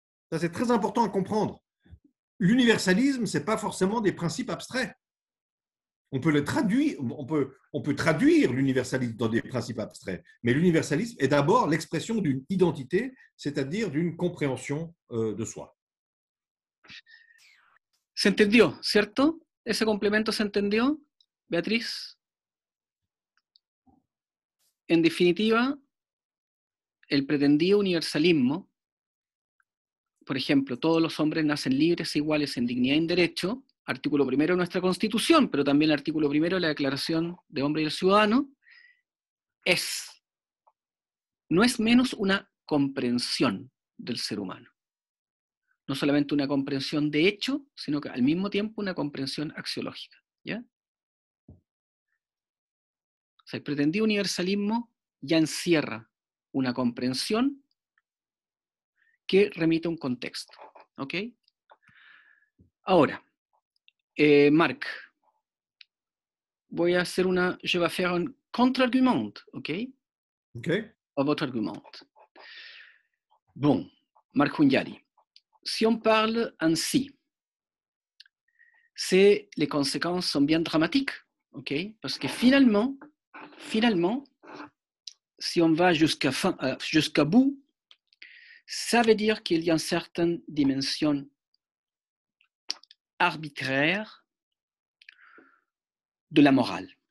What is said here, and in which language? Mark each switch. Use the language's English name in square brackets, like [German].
[French] Ça, c'est très important à comprendre. L'universalisme, ce n'est pas forcément des principes abstraits. On peut traduire l'universalisme dans des principes abstraits, mais l'universalisme est d'abord l'expression d'une identité, c'est-à-dire d'une compréhension de soi. [Spanish] Se entendió, ¿cierto? Ese complemento se entendió, Beatriz. En definitiva, el pretendido universalismo, por ejemplo, todos los hombres nacen libres, iguales en dignidad y en derecho. Artículo primero de nuestra Constitución, pero también el artículo primero de la Declaración de Hombre y el Ciudadano, no es menos una comprensión del ser humano. No solamente una comprensión de hecho, sino que al mismo tiempo una comprensión axiológica. ¿Ya? O sea, el pretendido universalismo ya encierra una comprensión que remite a un contexto. ¿Ok? Ahora, Marc, voy a hacer una. [French] Je vais faire un contre-argument, ¿ok? Ok. A votre argument. Bon, Mark Hunyadi. Si on parle ainsi, les conséquences sont bien dramatiques, ¿ok? Parce que finalement, si on va jusqu'à bout, ça veut dire qu'il y a une certaine dimension arbitraire de la morale.